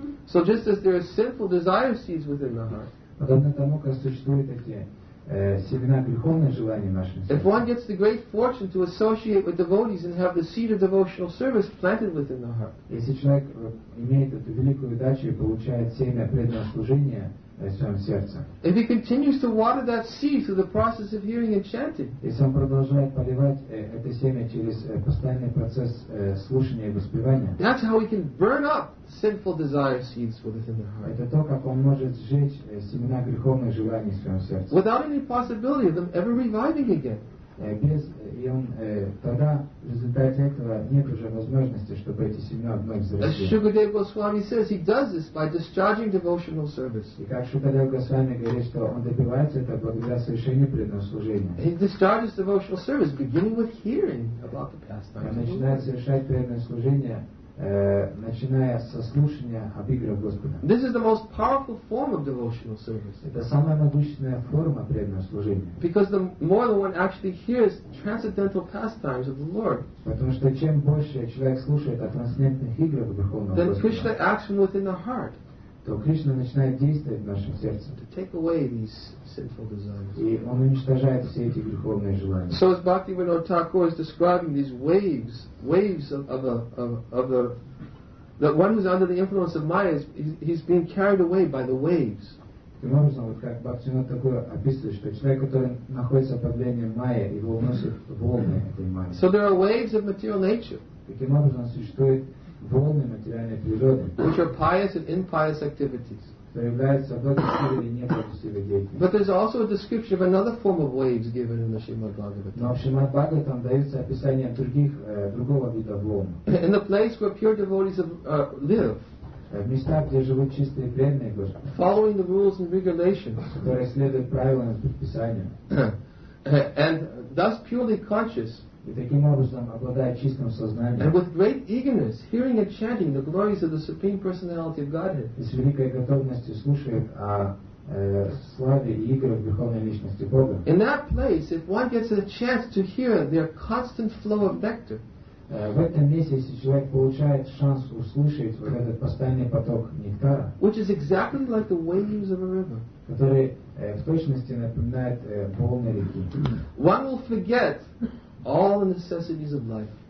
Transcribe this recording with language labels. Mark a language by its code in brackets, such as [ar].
[en] So just as there are sinful desire seeds within the heart. [ru] Подобно тому, как существуют эти семена греховных желаний в нашем сердце. [en] If one gets the great fortune to associate with devotees and have the seed of devotional service planted within the heart. [ru] Если человек имеет эту великую удачу и получает семя преданного служения в своем сердце. [en] If he continues to water that seed through the process of hearing and chanting. [ru] Если он продолжает поливать это семя через постоянный процесс слушания и воспевания. [en] That's how he can burn up sinful desire seeds within the heart. [ru] Это то, как он может сжечь семена греховных желаний в своем сердце. [en] Without any possibility of them ever reviving again. [ru] Без, и он тогда в результате этого нет уже возможности, чтобы эти семена вновь взросли. [en] As Shukadeva Goswami says, he does this by discharging devotional service. [ru] И как Шукадева Госвами говорит, что он добивается этого благодаря совершению преданного служения. [en] He discharges devotional service beginning with hearing about the pastimes. [ru] Он начинает совершать преданное служение, начиная со слушания об играх Господа. [en] This is the most powerful form of devotional service. [ru] Это самая могущественная форма преданного служения. [en] Because the more the one actually hears transcendental pastimes of the Lord. [ru] Потому что чем больше человек слушает о трансцендентных играх Верховного Господа, [en] then Krishna acts from within the heart. [ru] То Кришна начинает действовать в нашем сердце. [en] To take away these sinful desires. [ru] И он уничтожает все эти греховные желания. [en] So as Bhaktivinoda Thakur is describing these waves of the one who's under the influence of Maya he's being carried away by the waves. [ru] Таким образом, вот как Бхактивинода Тхакура описывает, что человек, который находится под влиянием Майя, его уносит волны этой Майи. [en] So there are waves of material nature. [ru] Таким образом, существует волны материальной природы, [en] which are pious and impious activities. But there's also a description of another form of waves given in the Srimad Bhagavatam. [ru] Но в Шримад Бхагаватам дается описание других другого вида волн. [en] In the place where pure devotees live, [ru] в местах, где живут чистые преданные, [en] following the rules and regulations, [ru] которые следуют правилам и предписаниям, [en] and thus purely conscious. [ru] И таким образом, обладая чистым сознанием. [en] And with great eagerness, hearing and chanting the glories of the Supreme Personality of Godhead. [ru] И с великой готовностью слушает о славе и играх Верховной Личности Бога. [en] In that place, if one gets a chance to hear their constant flow of nectar. [ru] В этом месте, если человек получает шанс услышать вот этот постоянный поток нектара. [en] Which is exactly like the waves of a river. [ru] Который в точности напоминает волны реки. [en] One will forget all the necessities of life.